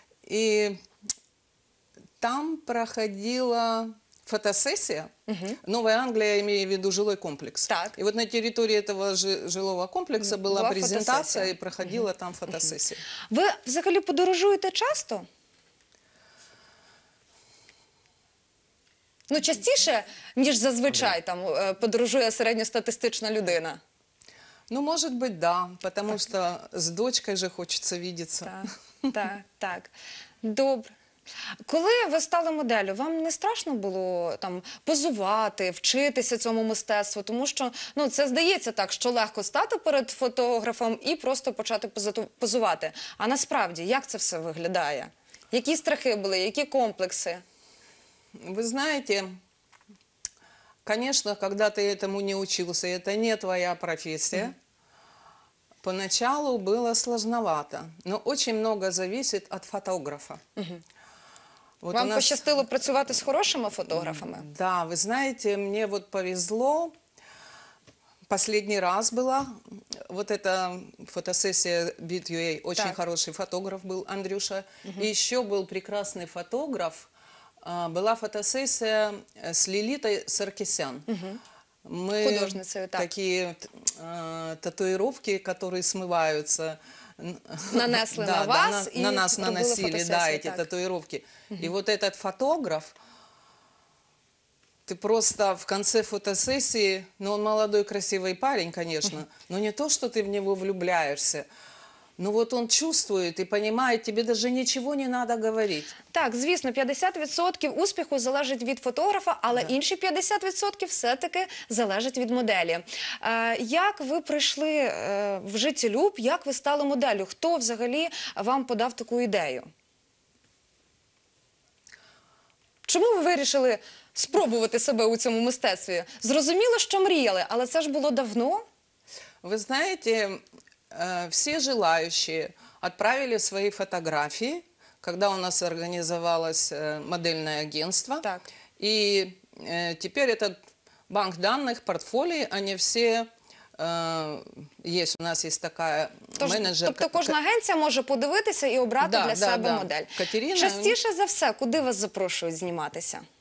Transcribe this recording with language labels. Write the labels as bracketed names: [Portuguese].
[Russian] И там проходила фотосессия. Угу. Новая Англия, имею в виду жилой комплекс. Так. И вот на территории этого жилого комплекса была презентация и проходила там фотосессия. [Ukrainian] Вы взагалі подорожуєте часто? Ну, частіше, ніж зазвичай, там, подорожує середньостатистична людина. Ну, може бути, да, тому що з дочкою же хочеться видіться. Так. Добре. Коли ви стали моделлю, вам не страшно було там позувати, вчитися цьому мистецтву? Тому що, ну, це здається так, що легко стати перед фотографом і просто почати позувати. А насправді, як це все виглядає? Які страхи були, які комплекси? [Russian] Вы знаете, конечно, когда ты этому не учился, это не твоя профессия, поначалу было сложновато, но очень много зависит от фотографа. [Ukrainian] Вот вам пощастило працювати с хорошими фотографами? [Russian] Да, вы знаете, мне вот повезло, последний раз была вот эта фотосессия Bit.ua, очень хороший фотограф был Андрюша, и еще был прекрасный фотограф. Была фотосессия с Лилитой Саркисян. Угу. Мы художницей, так. Такие татуировки, которые смываются. Нанесли да, на вас. Да, на нас наносили, да, эти татуировки. Угу. И вот этот фотограф, ты просто в конце фотосессии, ну, он молодой, красивый парень, конечно, но не то, что ты в него влюбляешься. Ну, вот он чувствует и понимает, тебе даже ничего не надо говорить. [Ukrainian] Так, звісно, 50% успіху залежить від фотографа, але інші 50% все-таки залежать від моделі. Як ви прийшли в життєлюб, як ви стали моделлю? Хто взагалі вам подав таку ідею? Чому ви вирішили спробувати себе у цьому мистецтві? Зрозуміло, що мріяли, але це ж було давно. Ви знаєте, [Russian] все желающие отправили свои фотографии, когда у нас организовалось модельное агентство. Так. И теперь этот банк данных, портфолио, они все есть. У нас есть такая менеджерка. [Ukrainian] Тобто кожна агенція може подивитися і обрати для себе модель. Катерина, частіше за все, куди вас запрошують зніматися?